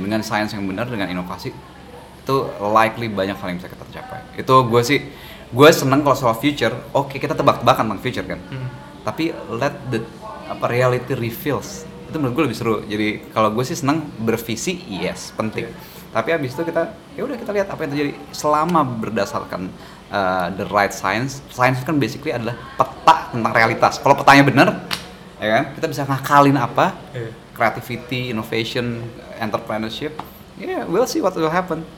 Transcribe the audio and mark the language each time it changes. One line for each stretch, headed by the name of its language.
Indonesian: Dengan science yang benar, dengan inovasi, itu likely banyak hal yang bisa kita tercapai. Itu gue sih, gue seneng kalau soal future, oke kita tebak-tebakan tentang future kan.
English: Tapi let the reality reveals.
Indonesian: Itu menurut gue lebih seru. Jadi kalau gue sih seneng bervisi, yes, penting. Tapi abis itu kita, ya udah kita lihat apa yang terjadi selama berdasarkan
English: the right science.
Indonesian: Science kan basically adalah peta tentang realitas. Kalau petanya benar, ya kan, kita bisa ngakalin apa, creativity, innovation, entrepreneurship.
English: Yeah, we'll see what will happen.